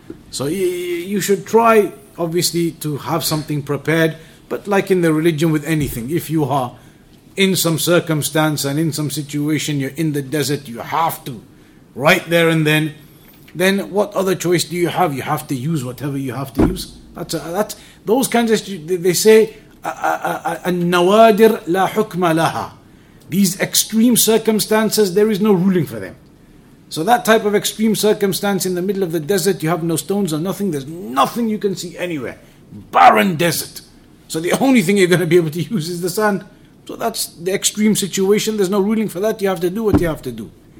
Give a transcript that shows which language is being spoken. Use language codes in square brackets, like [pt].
[en] So you should try, obviously, to have something prepared. But like in the religion with anything, if you are in some circumstance and in some situation, you're in the desert, you have to, right there and then what other choice do you have? You have to use whatever you have to use. Those kinds of, they say, [ar] النوادر لا حكم لها. [en] These extreme circumstances, there is no ruling for them. So that type of extreme circumstance in the middle of the desert, you have no stones or nothing, there's nothing you can see anywhere. Barren desert. So the only thing you're going to be able to use is the sand. So that's the extreme situation. There's no ruling for that. You have to do what you have to do.